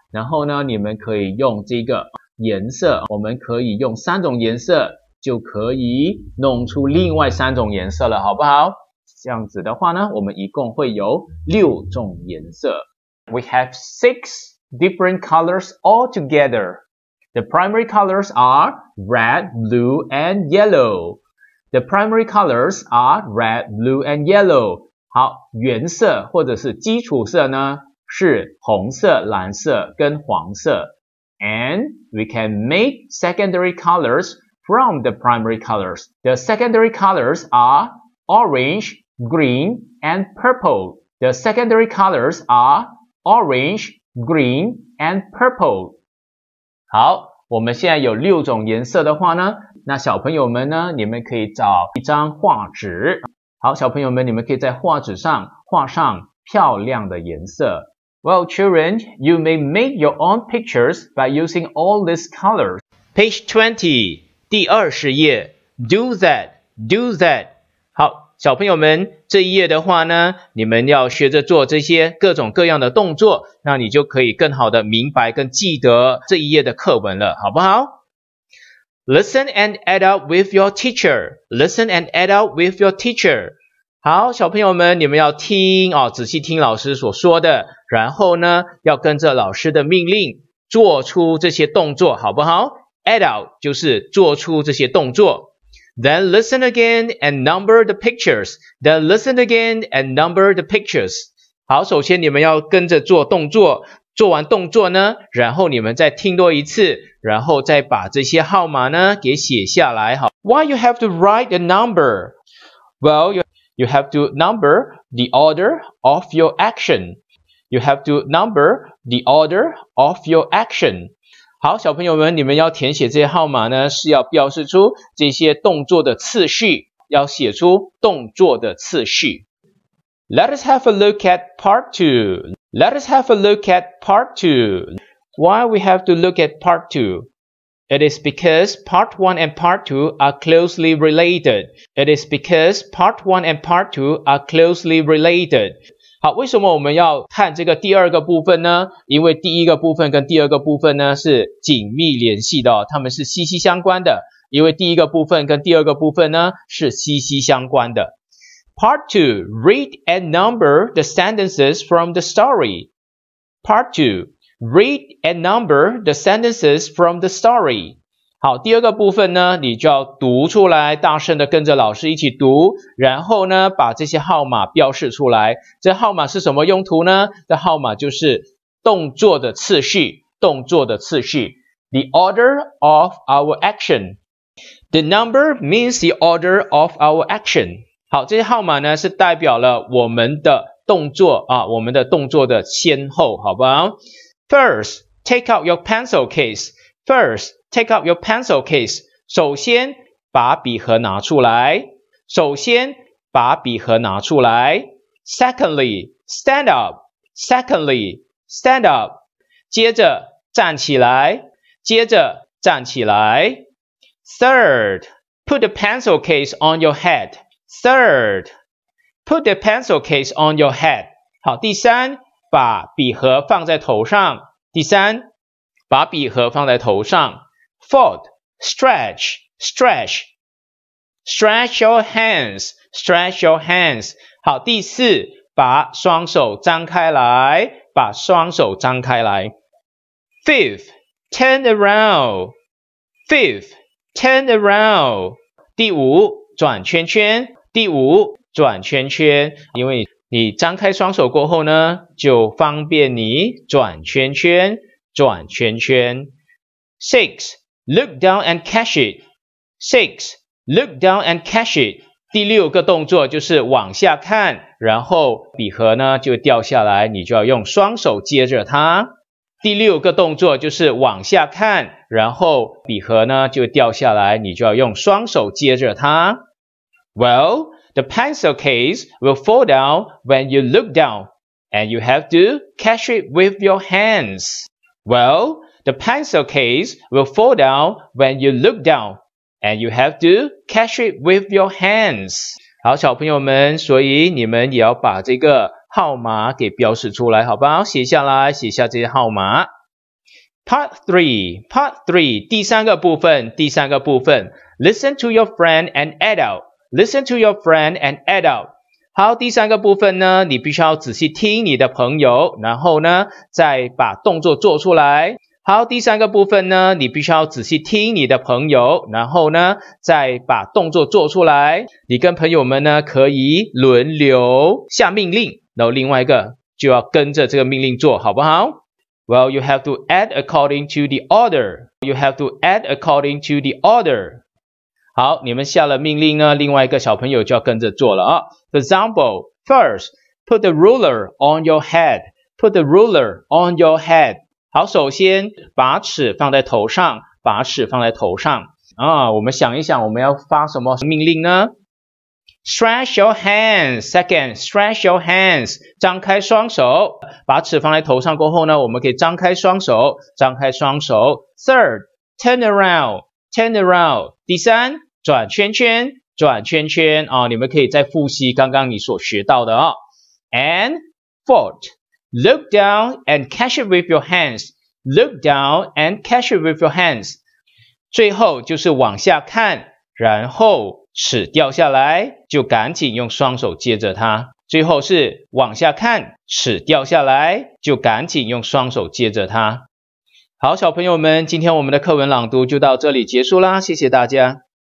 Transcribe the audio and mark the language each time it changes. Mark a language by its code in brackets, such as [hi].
[zh] 然后呢，你们可以用这个颜色，我们可以用三种颜色，就可以弄出另外三种颜色了，好不好？这样子的话呢，我们一共会有六种颜色。 [en] We have 6 different colors all together. The primary colors are red, blue, and yellow. The primary colors are red, blue, and yellow. [zh] 好，原色或者是基础色呢，是红色、蓝色跟黄色。 [en] And we can make secondary colors from the primary colors. The secondary colors are orange, green, and purple. The secondary colors are orange, green, and purple. [zh] 好，我们现在有六种颜色的话呢，那小朋友们呢，你们可以找一张画纸。好，小朋友们，你们可以在画纸上画上漂亮的颜色。 [en] Well, children, you may make your own pictures by using all these colors. Page 20, [zh] 第二十页。 [en] Do that. [zh] 好，小朋友们，这一页的话呢，你们要学着做这些各种各样的动作，那你就可以更好的明白跟记得这一页的课文了，好不好？ [en] Listen and add up with your teacher. Listen and add up with your teacher. [zh] 好，小朋友们，你们要听哦，仔细听老师所说的，然后呢，要跟着老师的命令做出这些动作，好不好 ？ [en] Add up [zh] 就是做出这些动作。 [en] Then listen again and number the pictures. Then listen again and number the pictures. [zh] 好，首先你们要跟着做动作。做完动作呢，然后你们再听多一次，然后再把这些号码呢给写下来。 [en] 好 ，Why you have to write a number? Well, you have to number the order of your action. You have to number the order of your action. [zh] 好，小朋友们，你们要填写这些号码呢，是要标示出这些动作的次序，要写出动作的次序。 [en] Let us have a look at part two. Let us have a look at part 2. Why we have to look at part 2? It is because part 1 and part 2 are closely related. [zh] 好，为什么我们要看这个第二个部分呢？因为第一个部分跟第二个部分呢是紧密联系的，它们是息息相关的。因为第一个部分跟第二个部分呢是息息相关的。 [en] Part 2, read and number the sentences from the story. Part 2, read and number the sentences from the story. [zh] 好，第二个部分呢，你就要读出来，大声的跟着老师一起读，然后呢，把这些号码标示出来。这号码是什么用途呢？这号码就是动作的次序，动作的次序。 [en] The order of our action. The number means the order of our action. [zh] 好，这些号码呢是代表了我们的动作啊，我们的动作的先后，好不好？ [en] First, take out your pencil case. First, take out your pencil case. [zh] 首先把笔盒拿出来。首先把笔盒拿出来。 [en] Secondly, stand up. Secondly, stand up. [zh] 接着站起来。接着站起来。 [en] Third, put the pencil case on your head. Third, put the pencil case on your head. [zh] 好，第三，把笔盒放在头上。第三，把笔盒放在头上。 [en] Fourth, stretch, stretch, stretch your hands, stretch your hands. [zh] 好，第四，把双手张开来，把双手张开来。 [en] Fifth, turn around. Fifth, turn around. [zh] 第五，转圈圈。第五，转圈圈，因为你张开双手过后呢，就方便你转圈圈，转圈圈。 [en] Six, look down and catch it. Six, look down and catch it. [zh] 第六个动作就是往下看，然后笔盒呢就掉下来，你就要用双手接着它。第六个动作就是往下看，然后笔盒呢就掉下来，你就要用双手接着它。 [en] Well, the pencil case will fall down when you look down, and you have to catch it with your hands. Well, the pencil case will fall down when you look down, and you have to catch it with your hands. [zh] 好，小朋友们，所以你们也要把这个号码给标示出来，好不好？写下来，写下这些号码。 [en] Part 3, [zh] 第三个部分，第三个部分。 [en] Listen to your friend and add out. Listen to your friend and add out. [zh] 好，第三个部分呢，你必须要仔细听你的朋友，然后呢，再把动作做出来。好，第三个部分呢，你必须要仔细听你的朋友，然后呢，再把动作做出来。你跟朋友们呢，可以轮流下命令，然后另外一个就要跟着这个命令做，好不好？ [en] Well, you have to add according to the order. You have to add according to the order. [zh] 好，你们下了命令呢，另外一个小朋友就要跟着做了啊。 [en] For example, first, put the ruler on your head. Put the ruler on your head. [zh] 好，首先把尺放在头上，把尺放在头上。啊，我们想一想，我们要发什么命令呢？ [en] Stretch your hands. Second, stretch your hands. [zh] 张开双手，把尺放在头上过后呢，我们可以张开双手，张开双手。 [en] Third, turn around. Turn around. [zh] 第三，转圈圈，转圈圈啊！你们可以再复习刚刚你所学到的啊。 [en] And fourth, look down and catch it with your hands. Look down and catch it with your hands. [zh] 最后就是往下看，然后尺掉下来，就赶紧用双手接着它。最后是往下看，尺掉下来，就赶紧用双手接着它。好，小朋友们，今天我们的课文朗读就到这里结束啦，谢谢大家。